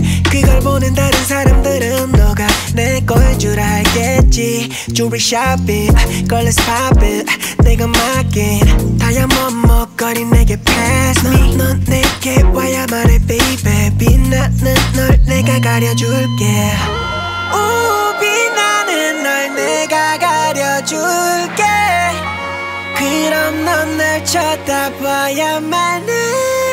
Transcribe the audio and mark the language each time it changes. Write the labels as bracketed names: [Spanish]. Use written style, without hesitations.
[Korean] 그걸 보는 다른 사람들은 너가 내 거일 줄 알겠지. [English] Jewelry shopping, girl, let's pop it. [Korean] 내가 막힌 다이아몬드 목걸이 내게 [English] pass me. [Korean] 넌 내게 와야 말해 [English] baby. [Korean] 빛나는 널 내가 가려줄게. Ooh, 빛나는 널 내가 가려줄게. 그럼 넌 날 쳐다봐야만 해.